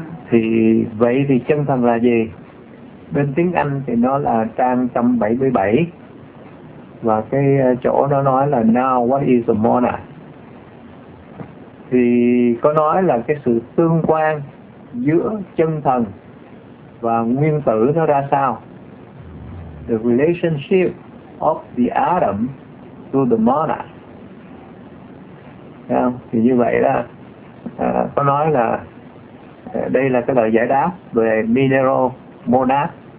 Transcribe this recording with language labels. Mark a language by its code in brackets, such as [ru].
[vi] Thì vậy thì chân thần là gì? Bên tiếng Anh thì nó là trang 177. Và cái chỗ nó nói là [en] now what is the monad. [vi] Thì có nói là cái sự tương quan giữa chân thần và nguyên tử nó ra sao? [en] The relationship of the atom to the monad. [vi] Thì như vậy đó, có nói là đây là cái lời giải đáp về [en] mineral monad.